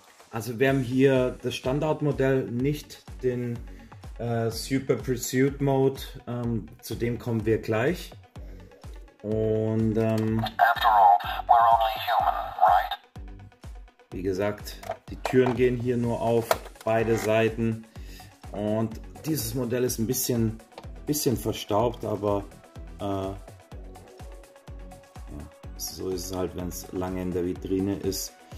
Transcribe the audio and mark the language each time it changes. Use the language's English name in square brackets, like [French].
[German] Also wir haben hier das Standardmodell, nicht den Super Pursuit Mode, zu dem kommen wir gleich. [English] Und after all, we're only human, right? [German] Wie gesagt, die Türen gehen hier nur auf, beide Seiten. Und dieses Modell ist ein bisschen verstaubt, aber ja, so ist es halt, wenn es lange in der Vitrine ist.